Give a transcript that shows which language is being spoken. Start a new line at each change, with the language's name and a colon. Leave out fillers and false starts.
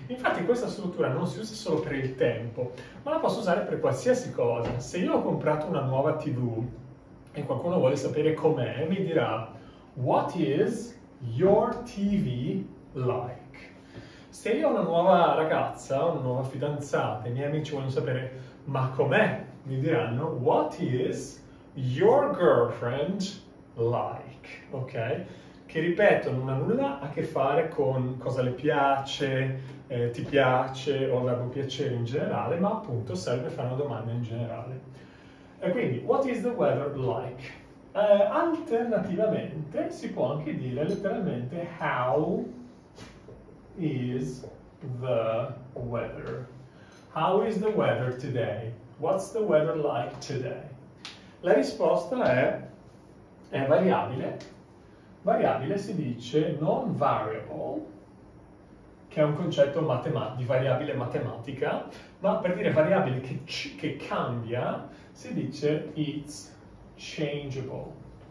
Italian: Infatti questa struttura non si usa solo per il tempo, ma la posso usare per qualsiasi cosa. Se io ho comprato una nuova TV e qualcuno vuole sapere com'è, mi dirà
English: What is your TV like?
Italian: Se io ho una nuova ragazza, una nuova fidanzata, i miei amici vogliono sapere ma com'è? Mi diranno,
English: what is your girlfriend like? Ok?
Italian: Che ripeto, non ha nulla a che fare con cosa le piace, ti piace o il verbo piacere in generale, ma appunto serve fare una domanda in generale. E quindi,
English: what is the weather like?
Italian: Alternativamente, si può anche dire letteralmente,
English: how is the weather? How is the weather today? What's the weather like today?
Italian: La risposta è variabile. Variabile si dice non variable, che è un concetto di variabile matematica, ma per dire variabile che cambia si dice
English: it's changeable.